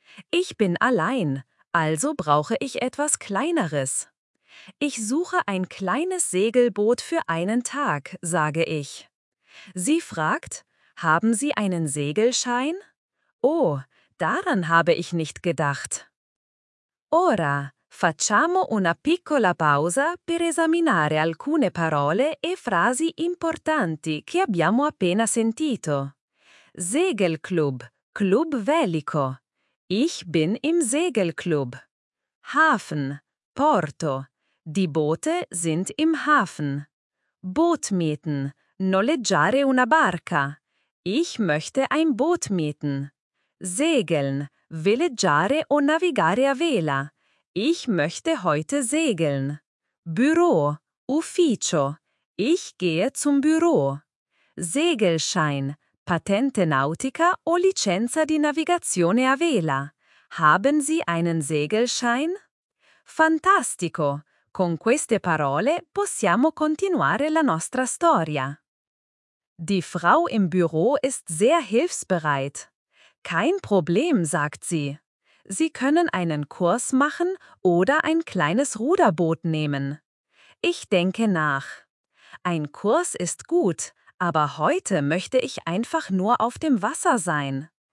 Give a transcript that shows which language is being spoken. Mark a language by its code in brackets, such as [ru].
[de] Ich bin allein, also brauche ich etwas Kleineres. Ich suche ein kleines Segelboot für einen Tag, sage ich. Sie fragt: Haben Sie einen Segelschein? Oh, daran habe ich nicht gedacht. [it] Ora. Facciamo una piccola pausa per esaminare alcune parole e frasi importanti che abbiamo appena sentito. [de] Segelclub, Club Velico. Ich bin im Segelclub. Hafen, Porto. Die Boote sind im Hafen. Boot mieten, [it] noleggiare una barca. [de] Ich möchte ein Boot mieten. Segeln, [it] veleggiare o navigare a vela. [de] Ich möchte heute segeln. Büro, Ufficio. Ich gehe zum Büro. [it] Segelschein, Patente Nautica o Licenza di Navigazione a Vela. [de] Haben Sie einen Segelschein? [it] Fantastico! Con queste parole possiamo continuare la nostra storia. [de] Die Frau im Büro ist sehr hilfsbereit. Kein Problem, sagt sie. Sie können einen Kurs machen oder ein kleines Ruderboot nehmen. Ich denke nach. Ein Kurs ist gut, aber heute möchte ich einfach nur auf dem Wasser sein.